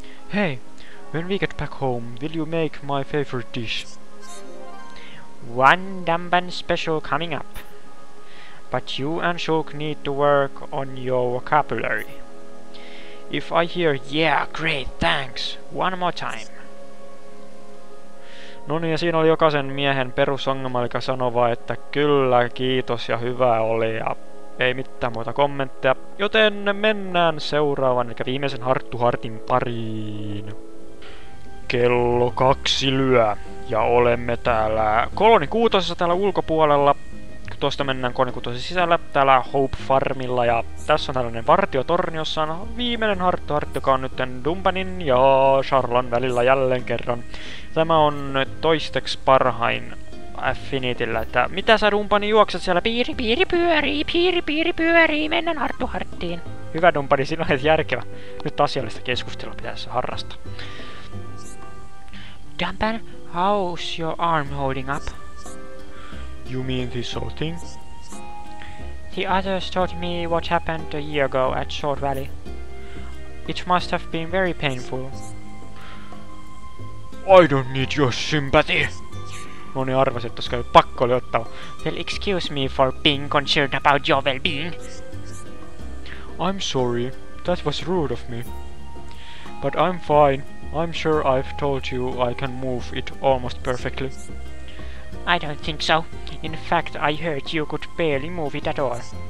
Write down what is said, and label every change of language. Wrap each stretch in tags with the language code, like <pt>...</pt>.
<en>Hey, when we get back home, will you make my favorite dish? One Damban special coming up. But you and Shulk need to work on your vocabulary. If I hear, yeah, great, thanks, one more time.</en> <fi>No niin, ja siinä oli jokaisen miehen perusongelma, eli sanova, että kyllä, kiitos ja hyvä oli, ja ei mitään muuta kommentteja. Joten mennään seuraavan, eli viimeisen Harttuhartin pariin. Kello 2 lyö, ja olemme täällä koloni 6 täällä ulkopuolella. Tuosta mennään koloni 6 sisällä, täällä Hope Farmilla, ja tässä on tällainen vartiotorni, jossa on viimeinen Harttuhartti, joka on nytten Dumbanin ja Charlan välillä jälleen kerran. Tämä on toisteksi parhain Affinityllä, että mitä sä Dumbani juokset siellä? Piiri piiri pyörii, mennään Harttuhartiin. Hyvä Dumbani, sinä olet järkevä. Nyt asiallista keskustelua pitäisi harrastaa.</fi> <en>Damban, how's your arm holding up? You mean this whole thing? The others told me what happened a year ago at Short Valley. It must have been very painful. I don't need your sympathy!</en> <fi>Moni arvasi, että olisikö pakko oli ottava.</fi> <en>Well, excuse me for being concerned about your well-being. I'm sorry. That was rude of me. But I'm fine. I'm sure I've told you I can move it almost perfectly. I don't think so. In fact, I heard you could barely move it at all.</en>